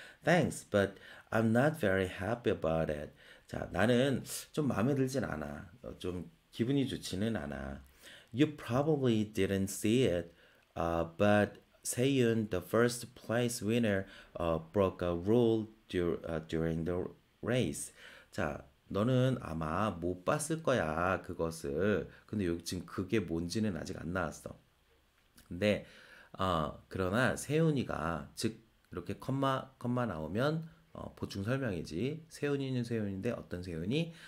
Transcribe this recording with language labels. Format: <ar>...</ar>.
<en>Thanks, but I'm not very happy about it.</en> <ko>자, 나는 좀 마음에 들진 않아. 좀 기분이 좋지는 않아.</ko> <en>You probably didn't see it, but Seiyun, the first place winner, broke a rule during the race.</en> <ko>자, 너는 아마 못 봤을 거야, 그것을. 근데 여기 지금 그게 뭔지는 아직 안 나왔어. 근데, 그러나 세윤이가, 즉, 이렇게 컴마 나오면, 보충 설명이지. 세윤이는 세윤인데 어떤 세윤이?</ko>